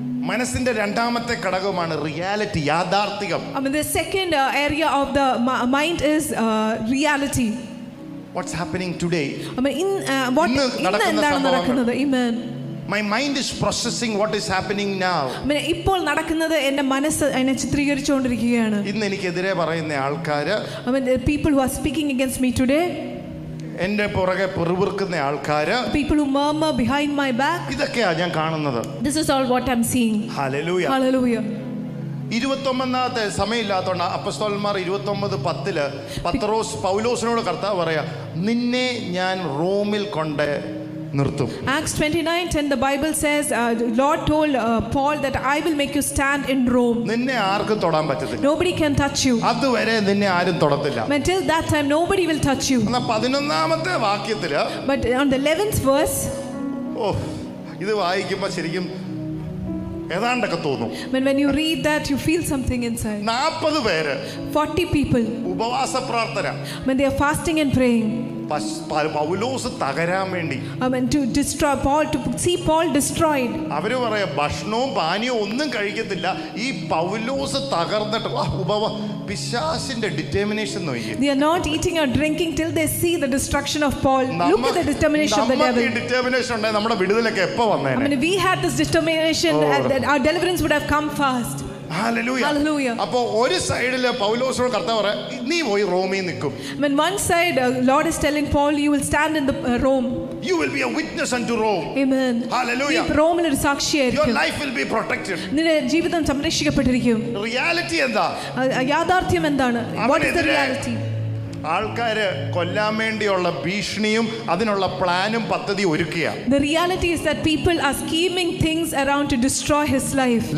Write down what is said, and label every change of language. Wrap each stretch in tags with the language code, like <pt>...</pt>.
<ml>മനസ്സിന്റെ രണ്ടാമത്തെ ഘടകമാണ് റിയാലിറ്റി, യാഥാർത്ഥ്യം.</ml> <en>I mean the second area of the mind is reality. What's happening today? I mean in what is happening? Amen. My mind is processing what is happening now.</en> <ml>മനെ ഇപ്പോൾ നടക്കുന്നത് എന്റെ മനസ്സ് അതിനെ ചിത്രീകരിച്ചുകൊണ്ടിരിക്കുകയാണ്. ഇന്ന് എനിക്ക് എതിരെ പറയുന്ന ആൾക്കാര്,</ml> <en>I mean the people who are speaking against me today,</en> <ml>എന്റെ പുറകെ പെറുവിർക്കുന്ന ആൾക്കാര്,</ml> <en>people who murmur behind my back,</en> <ml>ഇതൊക്കെയാ ഞാൻ കാണുന്നത്.</ml> <en>This is all what I'm seeing. Hallelujah. Hallelujah.</en> <ml>29-ാമത്തെ സമയമില്ലാത്തോണ്ട് അപ്പസ്തോലന്മാർ 29:10 പത്രോസ് പൗലോസിനോട് കർത്താവ് പറയാ, നിന്നെ ഞാൻ റോമിൽ കൊണ്ട് നിർത്തും.</ml> <en>Acts 29:10 the Bible says Lord told Paul that I will make you stand in Rome.</en> <ml>നിന്നെ ആർക്കും തൊടാൻ പറ്റില്ല.</ml> <en>Nobody can touch you.</en> <ml>അതുവരെ നിന്നെ ആരും തൊടത്തില്ല.</ml> <en>Until that time nobody will touch you.</en> <ml>എന്നാ 11-ാമത്തെ വാക്യത്തില്,</ml> <en>but on the 11th verse,</en> <ml>ഓ ഇത് വായിക്കുമ്പോൾ ശരിക്കും ഏതാണ്ടൊക്കെ തോന്നും.</ml> <en>When you read that you feel something inside.</en> <ml>40 പേര്,</ml> <en>40 people,</en> <ml>ഉപവാസ പ്രാർത്ഥന.</ml> <en>When they are fasting and praying.</en> <ml>പൗലോസ് തകരാൻ വേണ്ടി.</ml> <en>Amen. To destroy Paul, to see Paul destroyed.</en> <ml>അവര് പറയ ഭക്ഷണവും പാനീയവും ഒന്നും കഴിക്കത്തില്ല ഈ പൗലോസ് തകർന്നിട്ട്. പിശാചിന്റെ ഡിറ്റർമിനേഷൻ നോക്കി.</ml> <en>They are not eating or drinking till they see the destruction of Paul. Look at the determination of the devil.</en> <ml>നമ്മൾ ഈ ഡിറ്റർമിനേഷൻ ഉണ്ടേ നമ്മുടെ വിടുതലൊക്കെ എപ്പോ വന്നേനെ.</ml> <en>I mean, we had this determination that our deliverance would have come fast. Hallelujah. Hallelujah.</en> <ml>അപ്പൊ ഒരു സൈഡില് പൗലോസ് കർത്താവ് പറയ നീ പോയി റോമിൽ നിൽക്കും.</ml> <en>When one side Lord is telling Paul you will stand in the Rome. You will be a witness unto Rome. Amen. Hallelujah.</en> <ml>ഈ റോമിൽ ഒരു സാക്ഷിയായിരിക്കും.</ml> <en>Your life will be protected.</en> <ml>നിന്റെ ജീവിതം സംരക്ഷിക്കപ്പെട്ടിരിക്കും. Reality എന്താ? യാഥാർത്ഥ്യം എന്താണ്?</ml> <en>What is the reality?</en> <ml>ആൾക്കാര് കൊല്ലാൻ വേണ്ടിയുള്ള ഭീഷണിയും അതിനുള്ള പ്ലാനും പദ്ധതിയും ഒരുക്കിയാ.</ml> <en>The reality is that people are scheming things around to destroy his life.</en>